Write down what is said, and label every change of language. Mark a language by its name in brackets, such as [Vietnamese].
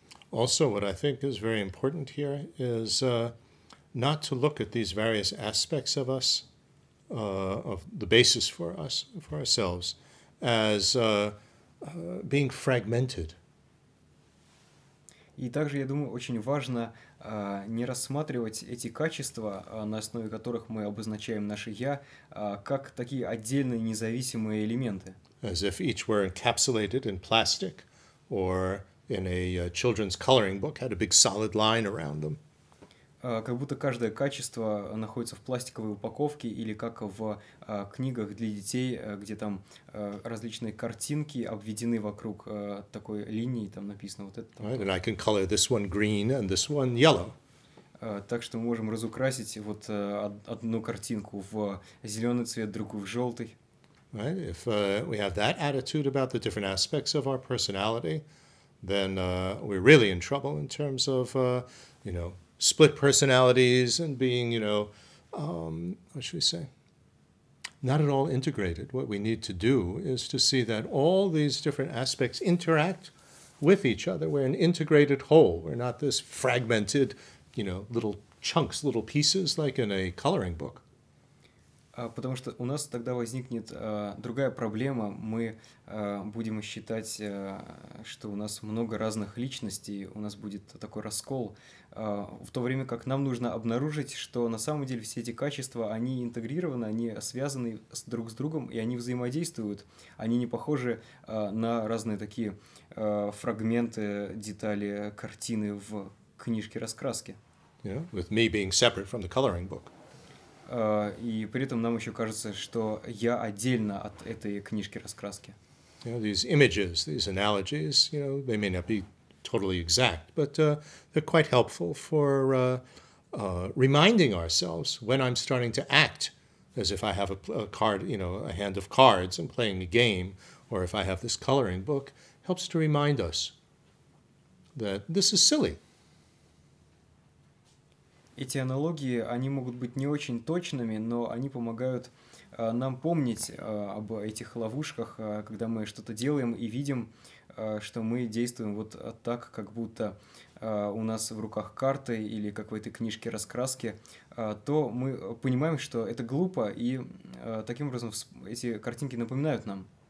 [English] Also, what I think is very important here is not to look at these various aspects of us, of the basis for us, for ourselves, as being fragmented. [Russian] И также, я думаю, очень важно не рассматривать эти качества, на основе которых мы обозначаем наше «я», как такие отдельные независимые элементы. [English] As if each were encapsulated in plastic or in a children's coloring book had a big solid line around them. [Russian] Как будто каждое качество находится в пластиковой упаковке или как в книгах для детей, где там различные картинки обведены вокруг такой линии, там написано вот это. [English] Right, and I can color this one green and this one yellow. [Russian] Так что мы можем разукрасить вот одну картинку в зеленый цвет, другую в желтый. [English] Right, if we have that attitude about the different aspects of our personality, then we're really in trouble in terms of, you know, split personalities and being, you know, what should we say? Not at all integrated. What we need to do is to see that all these different aspects interact with each other. We're an integrated whole. We're not this fragmented, you know, little chunks, little pieces like in a coloring book. [Russian] Потому что у нас тогда возникнет другая проблема. Мы будем считать, что у нас много разных личностей, у нас будет такой раскол, в то время как нам нужно обнаружить, что на самом деле все эти качества, они интегрированы, они связаны друг с другом, и они взаимодействуют. Они не похожи на разные такие фрагменты, детали, картины в книжке-раскраске. [English] Yeah, with me being separate from the coloring book. [Russian] И при этом нам еще кажется, что я отдельно от этой книжки раскраски. [English] You know, these images, these analogies, you know, they may not be totally exact, but they're quite helpful for reminding ourselves when I'm starting to act as if I have a card, you know, a hand of cards and playing a game, or if I have this coloring book, helps to remind us that this is silly. [Russian] Эти аналогии, они могут быть не очень точными, но они помогают нам помнить об этих ловушках, когда мы что-то делаем и видим, что мы действуем вот так, как будто у нас в руках карты или какой-то книжки-раскраски, то мы понимаем, что это глупо, и таким образом эти картинки напоминают нам.